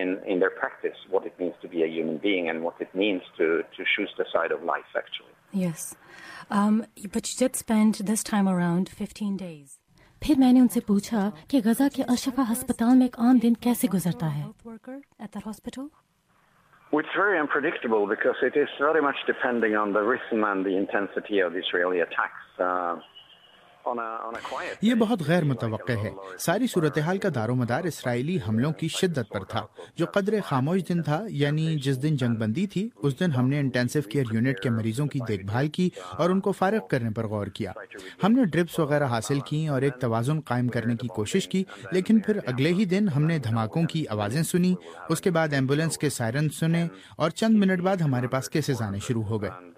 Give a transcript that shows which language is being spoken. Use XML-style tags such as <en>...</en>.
<en>In their practice, what it means to be a human being and what it means to choose the side of life, actually. Yes. But you did spend this time around 15 days.</en> <ur>پھر میں نے ان سے پوچھا کہ غزہ کے الشفا ہسپتال میں ایک عام دن کیسے گزرتا ہے۔</ur> <en>It's very unpredictable because it is very much depending on the rhythm and the intensity of the Israeli attacks.</en> <ur>یہ بہت غیر متوقع ہے۔ ساری صورتحال کا دار و مدار اسرائیلی حملوں کی شدت پر تھا۔ جو قدر خاموش دن تھا، یعنی جس دن جنگ بندی تھی، اس دن ہم نے انٹینسو کیئر یونٹ کے مریضوں کی دیکھ بھال کی اور ان کو فارغ کرنے پر غور کیا۔ ہم نے ڈرپس وغیرہ حاصل کیں اور ایک توازن قائم کرنے کی کوشش کی، لیکن پھر اگلے ہی دن ہم نے دھماکوں کی آوازیں سنی، اس کے بعد ایمبولنس کے سائرن سنے، اور چند منٹ بعد ہمارے پاس کیسز آنے شروع ہو گئے۔</ur>